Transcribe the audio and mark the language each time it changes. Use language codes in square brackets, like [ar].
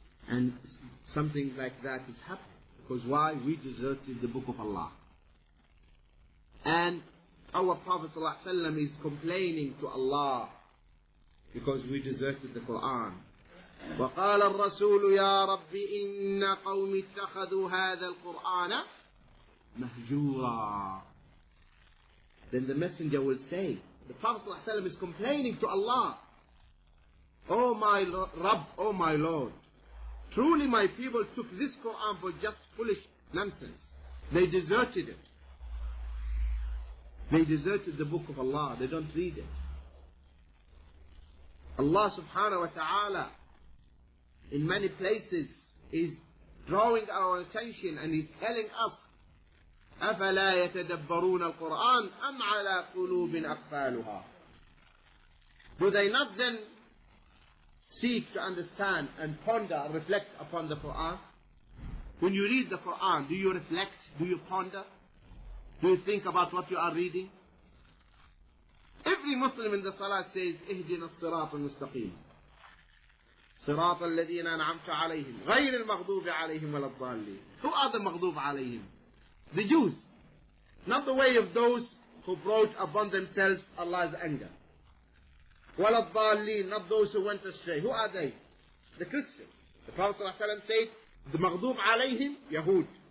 [en] And something like that is happening. Because why? We deserted the Book of Allah. And our Prophet ﷺ is complaining to Allah because we deserted the Quran. [ar] وقال الرسول يا ربي إن قوم اتخذوا هذا القرآن مهجورا. [en] Then the messenger will say, the Prophet ﷺ is complaining to Allah. Oh my Rabb, oh my Lord, truly my people took this Quran for just foolish nonsense. They deserted it. They deserted the Book of Allah. They don't read it. Allah subhanahu wa ta'ala in many places is drawing our attention and is telling us, [ar] أَفَلَا يَتَدَبَّرُونَ الْقُرْآنَ أَمْ عَلَىٰ قُلُوبٍ أَقْفَالُهَا. [en] Do they not then seek to understand and ponder and reflect upon the Quran? When you read the Quran, do you reflect? Do you ponder? Do you think about what you are reading? Every Muslim in the Salah says, [ar] اهدنا الصراط المستقيم صراط الذين أنعمت عليهم غير المغضوب عليهم ولا الضالين. [en] Who are the مغضوب عليهم? The Jews. Not the way of those who brought upon themselves Allah's anger. [ar] ولا الضالين. [en] Not those who went astray. Who are they? The Christians. The Prophet ﷺ said, the [ar] مغضوب عليهم يهود.